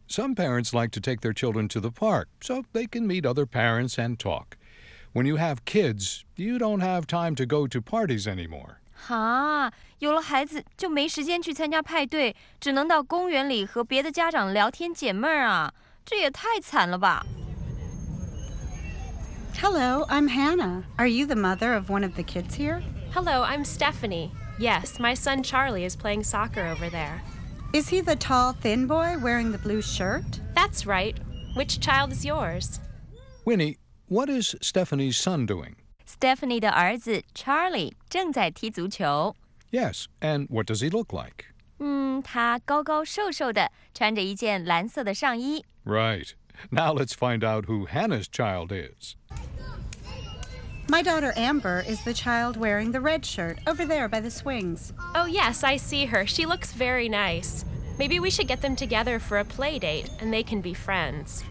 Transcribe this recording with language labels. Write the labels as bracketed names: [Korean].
[English] Some parents like to take their children to the park so they can meet other parents and talk. When you have kids, you don't have time to go to parties anymore. [Chinese] 哈，有了孩子就没时间去参加派对，只能到公园里和别的家长聊天解闷啊，这也太惨了吧。 [English] Hello, I'm Hannah. Are you the mother of one of the kids here? Hello, I'm Stephanie. Yes, my son Charlie is playing soccer over there. Is he the tall, thin boy wearing the blue shirt? That's right. Which child is yours? Winnie, what is Stephanie's son doing? [Chinese] Stephanie 的儿子 Charlie 正在踢足球。 [English] Yes, and what does he look like? [Chinese] 他高高瘦瘦的，穿着一件蓝色的上衣。 [English] Right. Now let's find out who Hannah's child is. My daughter Amber is the child wearing the red shirt over there by the swings. Oh yes, I see her. She looks very nice. Maybe we should get them together for a play date and they can be friends.